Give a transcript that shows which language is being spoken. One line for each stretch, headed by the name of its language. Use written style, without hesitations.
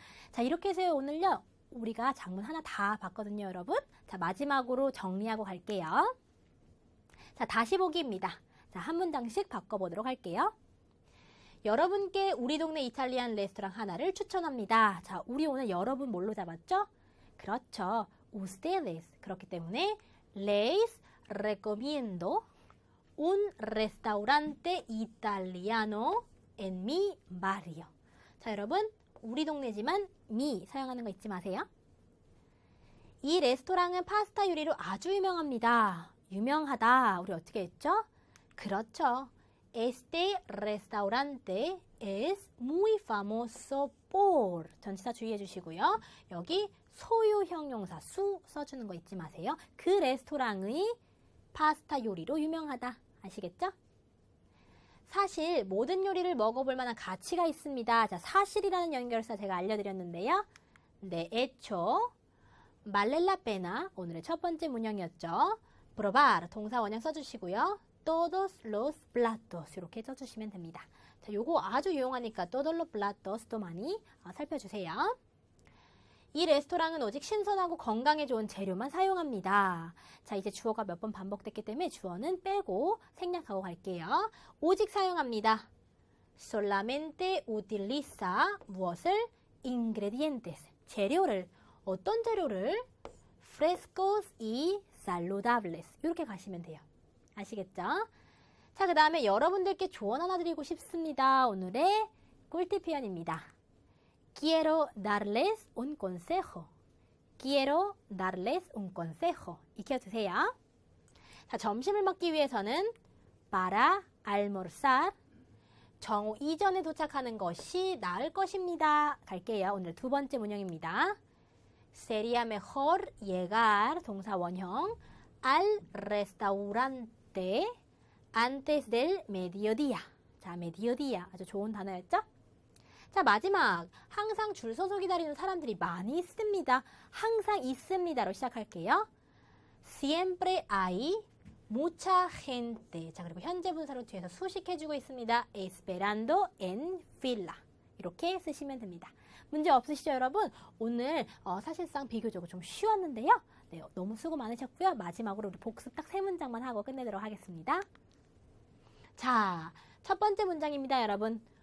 Korean: 자, 이렇게 해서 오늘요, 우리가 장문 하나 다 봤거든요, 여러분. 자, 마지막으로 정리하고 갈게요. 자, 다시 보기입니다. 자, 한 문장씩 바꿔보도록 할게요. 여러분께 우리 동네 이탈리안 레스토랑 하나를 추천합니다. 자, 우리 오늘 여러분 뭘로 잡았죠? 그렇죠. Ustedes. 그렇기 때문에
Spanish: Les recomiendo un restaurante italiano en mi barrio.
Korean: 자, 여러분, 우리 동네지만 mi 사용하는 거 잊지 마세요. 이 레스토랑은 파스타 요리로 아주 유명합니다. 유명하다. 우리 어떻게 했죠? 그렇죠.
Spanish: Este restaurante es muy famoso por
Korean: 전치사 주의해 주시고요. 여기 소유형 용사 su 써주는 거 잊지 마세요. 그 레스토랑의 파스타 요리로 유명하다. 아시겠죠? 사실 모든 요리를 먹어볼 만한 가치가 있습니다. 자, 사실이라는 연결사 제가 알려드렸는데요. 네, 애초 말렐라 페나 오늘의 첫 번째 문형이었죠.
Spanish: Probar
Korean: 동사 원형 써주시고요.
Spanish: Todos los platos
Korean: 이렇게 써주시면 됩니다. 자, 요거 아주 유용하니까
Spanish: todos los platos
Korean: 도 많이 살펴주세요. 이 레스토랑은 오직 신선하고 건강에 좋은 재료만 사용합니다. 자, 이제 주어가 몇번 반복됐기 때문에 주어는 빼고 생략하고 갈게요. 오직 사용합니다.
Spanish: Solamente utiliza
Korean: 무엇을?
Spanish: Ingredientes.
Korean: 재료를. 어떤 재료를?
Spanish: Frescos y saludables.
Korean: 이렇게 가시면 돼요. 아시겠죠? 자, 그 다음에 여러분들께 조언 하나 드리고 싶습니다. 오늘의 꿀팁 표현입니다.
Spanish: Quiero darles un consejo. Quiero darles un consejo.
Korean: 익혀주세요. 자, 점심을 먹기 위해서는
Spanish: para almorzar.
Korean: 정오 이전에 도착하는 것이 나을 것입니다. 갈게요. 오늘 두 번째 문형입니다.
Spanish: Sería mejor llegar,
Korean: 동사 원형,
Spanish: al restaurante antes del mediodía.
Korean: 자, mediodía. 아주 좋은 단어였죠? 자, 마지막. 항상 줄 서서 기다리는 사람들이 많이 있습니다. 항상 있습니다로 시작할게요.
Spanish: Siempre hay mucha gente.
Korean: 자, 그리고 현재 분사로 뒤에서 수식해주고 있습니다.
Spanish: Esperando en fila.
Korean: 이렇게 쓰시면 됩니다. 문제 없으시죠, 여러분? 오늘 사실상 비교적으로 좀 쉬웠는데요. 네, 너무 수고 많으셨고요. 마지막으로 우리 복습 딱세 문장만 하고 끝내도록 하겠습니다. 자, 첫 번째 문장입니다, 여러분.